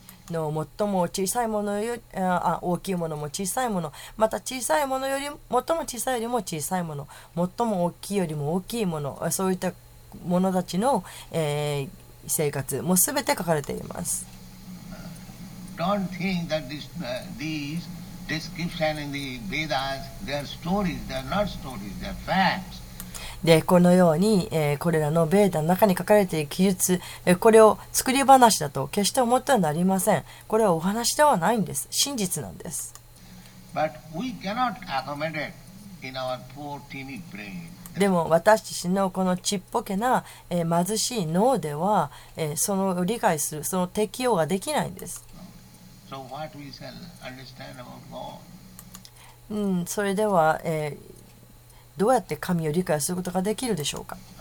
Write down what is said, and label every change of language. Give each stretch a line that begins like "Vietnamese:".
Japanese: の最も小さいものよりあ大きいものも小さいもの、また小さいものより最も小さいよりも小さいもの、最も大きいよりも大きいもの、そういったものたちの、生活もすべて書かれています。
English: Don't think that this, these description in the Vedas, they are stories, they are not stories, they are facts。
Japanese: でこのように、これらのベーダの中に書かれている記述、これを作り話だと決して思ってはなりません。これはお話ではないんです。真実なんです。
English: But we cannot accommodate in our poor, teeny brain.
Japanese: でも私たちのこのちっぽけな、貧しい脳では、その理解するその適用ができないんです。
English: So what we shall understand about God?
Japanese: それでは、どうやって神を理解することができるでしょうか。